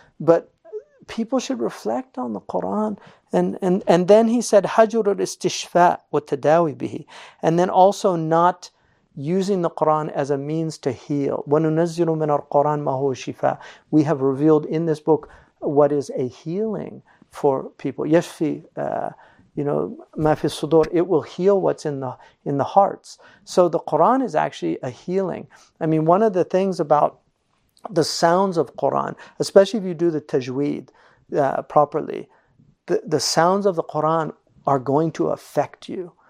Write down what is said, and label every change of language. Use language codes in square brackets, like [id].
[en] But people should reflect on the Quran. And then he said, [ar] hajru istishfa wa tadawi bihi. [en] And then also not using the Quran as a means to heal. [ar] وَنُنَزِّلُ مِنَ الْقُرْآنِ مَا هُوَ شِفَاء. [en] We have revealed in this book what is a healing for people. [ar] يَشْفِي, [en] you know, [ar] مَا فِي الصُّدُورِ. [en] It will heal what's in the hearts. So the Quran is actually a healing. I mean, one of the things about the sounds of Quran, especially if you do the tajweed properly, the sounds of the Quran are going to affect you.